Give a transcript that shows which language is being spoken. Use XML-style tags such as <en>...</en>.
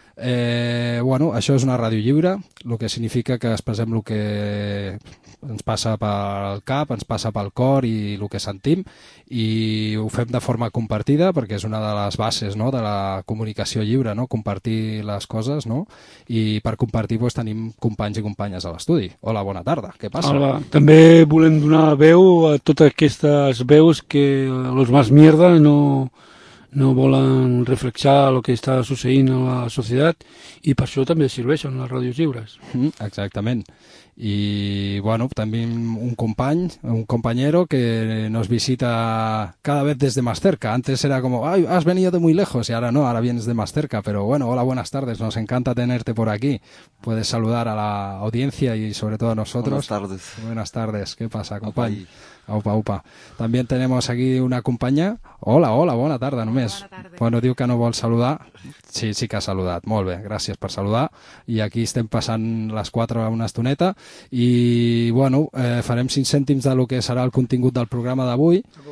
<ca>Bueno, això és una ràdio lliure, el que significa que expressem el que ens passa pel cap, ens passa pel cor i el que sentim, i ho fem de forma compartida, perquè és una de les bases, no?, de la comunicació lliure, no?, compartir les coses, no?, i per compartir pues, tenim companys i companyes a l'estudi. Hola, bona tarda, què passa? Hola, també volem donar veu a totes aquestes veus que</ca> <es>los más mierda</es> <ca>no volen reflexar el que està succeint a la societat, i per això també serveixen les ràdios lliures. Exactament.</ca> <es>I bueno,</es> <ca>també un company,</ca> <es>un companyero que nos visita cada vez desde más cerca. Antes era como, ay, has venido de muy lejos, y ahora no, ahora vienes de más cerca. Pero bueno, hola, buenas tardes, nos encanta tenerte por aquí. Puedes saludar a la audiencia y sobre todo a nosotros. Buenas tardes. Buenas tardes, ¿qué pasa, compañero? Okay. Opa, opa.</es> <ca>També tenim aquí una companya. Hola, hola, bona tarda només. Bona tarda. Bueno, diu que no vol saludar. Sí, sí que ha saludat. Molt bé, gràcies per saludar. I aquí estem passant les 4 una estoneta. I, bueno, farem 5 cèntims del que serà el contingut del programa d'avui.</ca>